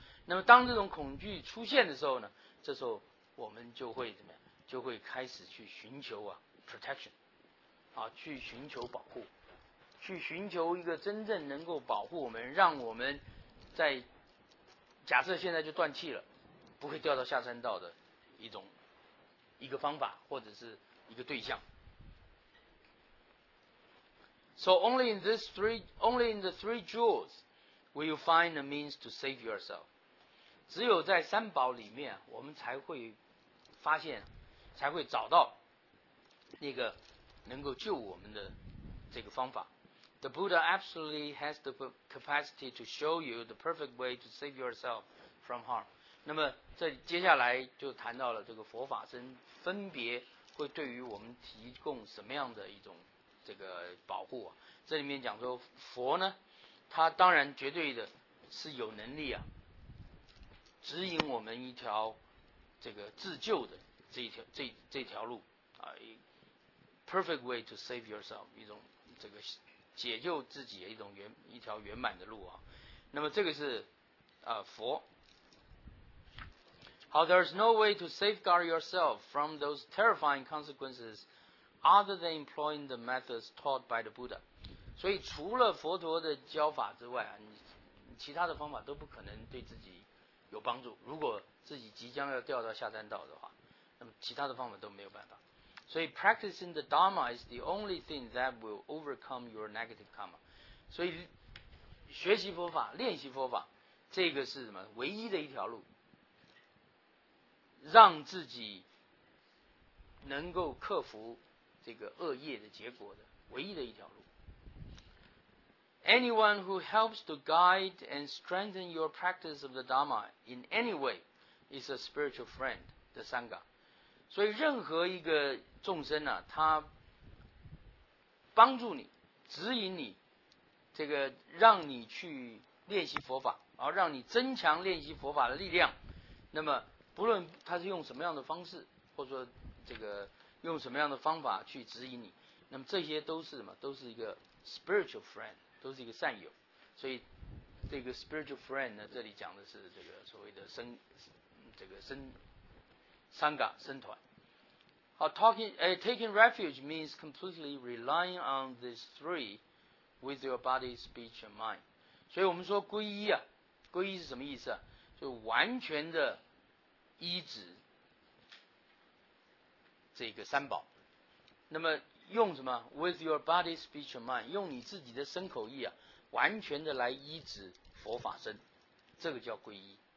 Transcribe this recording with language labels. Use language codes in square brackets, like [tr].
[zh] 那么当这种恐惧出现的时候呢，这时候我们就会怎么样，就会开始去寻求啊 protection啊，去寻求保护，去寻求一个真正能够保护我们，让我们在假设现在就断气了，不会掉到下三道的一个方法或者是一个对象。 [en] So only in the three jewels will you find a means to save yourself. [zh] 只有在三宝里面，我们才会发现，才会找到那个能够救我们的这个方法。 [en] The Buddha absolutely has the capacity to show you the perfect way to save yourself from harm. [zh] 那么这接下来就谈到了这个佛法身分别会对于我们提供什么样的一种这个保护啊。这里面讲说佛呢，他当然绝对的是有能力啊，指引我们一条这个自救的这条路啊， [en] perfect way to save yourself， [zh] 一种这个解救自己的一条圆满的路啊。那么这个是佛。 [en] How there is no way to safeguard yourself from those terrifying consequences other than employing the methods taught by the Buddha. [zh] 所以除了佛陀的教法之外，你其他的方法都不可能对自己有帮助。如果自己即将要掉到下三道的话，那么其他的方法都没有办法。所以 [en] practicing the Dharma is the only thing that will overcome your negative karma. [zh] 所以学习佛法，练习佛法，这个是什么？唯一的一条路，让自己能够克服这个恶业的结果的唯一的一条路。 [en] Anyone who helps to guide and strengthen your practice of the Dharma in any way is a spiritual friend, the Sangha. [zh] 所以任何一个众生啊，他帮助你，指引你，这个让你去练习佛法，然后让你增强练习佛法的力量，那么不论他是用什么样的方式，或者说这个用什么样的方法去指引你，那么这些都是什么？都是一个 spiritual friend。都是一个善友，所以这个 spiritual friend 呢，这里讲的是这个所谓的僧，这个僧 ，sangha 僧团。好 [en] ，taking refuge means completely relying on these three with your body, speech, and mind。 [zh] 所以我们说皈依啊，皈依是什么意思啊？就完全的依止这个三宝。那么用什么 ？ [en] With your body, speech, and mind， [zh] 用你自己的身口意啊，完全的来依止佛法身，这个叫皈依。